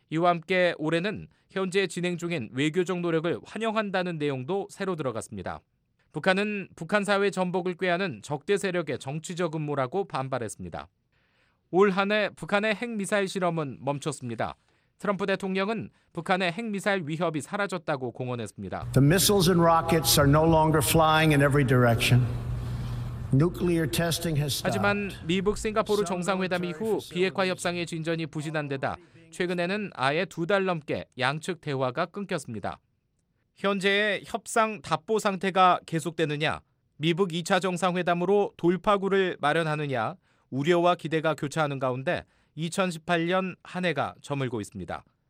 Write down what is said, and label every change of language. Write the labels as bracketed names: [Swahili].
[Korean] 이와 함께 올해는 현재 진행 중인 외교적 노력을 환영한다는 내용도 새로 들어갔습니다. 북한은 북한 사회 전복을 꾀하는 적대 세력의 정치적 음모라고 반발했습니다. 올 한 해 북한의 핵미사일 실험은 멈췄습니다. 트럼프 대통령은 북한의 핵미사일 위협이 사라졌다고 공언했습니다. [English] The missiles and rockets are no longer flying in every direction. Nuclear testing has stopped. [Korean] 하지만 미국 싱가포르 정상회담 이후 비핵화 협상의 진전이 부진한 데다 최근에는 아예 두 달 넘게 양측 대화가 끊겼습니다. 현재의 협상 답보 상태가 계속되느냐, 미북 2차 정상회담으로 돌파구를 마련하느냐 우려와 기대가 교차하는 가운데 2018년 한 해가 저물고 있습니다.